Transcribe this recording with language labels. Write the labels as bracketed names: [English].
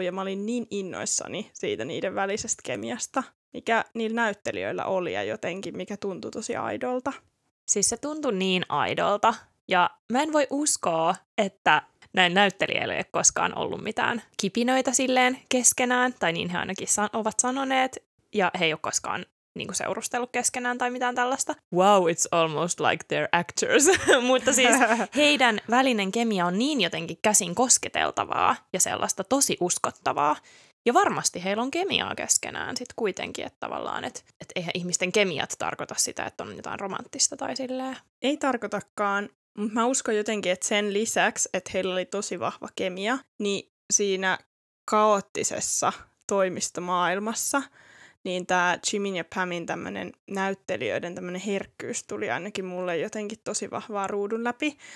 [Finnish] Ja mä olin niin innoissani siitä niiden välisestä kemiasta, mikä niillä näyttelijöillä oli ja jotenkin, mikä tuntui tosi aidolta. Siis se tuntui niin aidolta, ja mä en voi uskoa, että näin näyttelijöillä ei ole koskaan ollut mitään kipinöitä silleen keskenään, tai niin he ainakin ovat sanoneet, ja he ei ole koskaan niinku seurustellut keskenään tai mitään tällaista. [English] Wow, it's almost like they're actors. [Finnish] Mutta siis heidän välinen kemia on niin jotenkin käsin kosketeltavaa, ja sellaista tosi uskottavaa. Ja varmasti heillä on kemiaa keskenään sitten kuitenkin, että tavallaan, että eihän ihmisten kemiat tarkoita sitä, että on jotain romanttista tai silleen. Ei tarkoitakaan, mutta mä uskon jotenkin, että sen lisäksi, että heillä oli tosi vahva kemia, niin siinä kaoottisessa toimistomaailmassa, niin tämä Jimin ja Pamin tämmöinen näyttelijöiden tämmöinen herkkyys tuli ainakin mulle jotenkin tosi vahvaa ruudun läpi.